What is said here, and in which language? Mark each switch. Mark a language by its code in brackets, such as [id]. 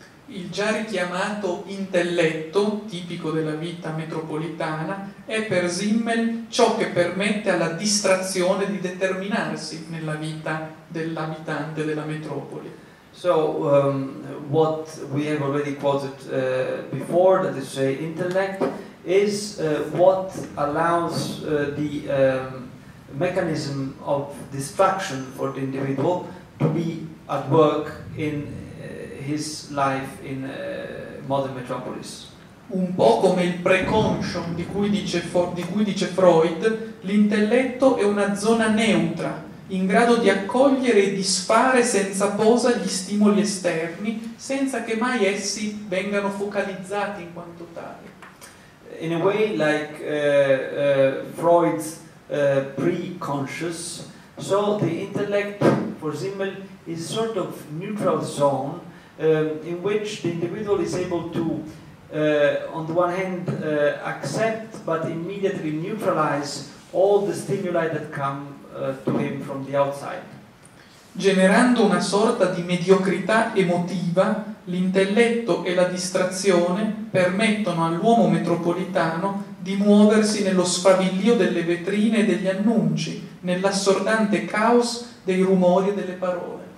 [it] Il già richiamato intelletto, tipico della vita metropolitana, è per Simmel ciò che permette alla distrazione di determinarsi nella vita dell'abitante della metropoli. [en] So what we have already quoted before, that is say intellect, is what allows the mechanism of distraction for the individual to be at work in his life in modern metropolis. [it] Un po' come il preconscio di cui dice Freud, l'intelletto è una zona neutra in grado di accogliere e disfare senza posa gli stimoli esterni, senza che mai essi vengano focalizzati in quanto tali. [en] In a way, like Freud's preconscious, so the intellect for Simmel is sort of neutral zone in which the individual is able to, on the one hand, accept but immediately neutralize all the stimuli that come to him from the outside. [it] Generando una sorta di mediocrità emotiva, l'intelletto e la distrazione permettono all'uomo metropolitano di muoversi nello sfavillio delle vetrine e degli annunci, nell'assordante caos dei rumori e delle parole.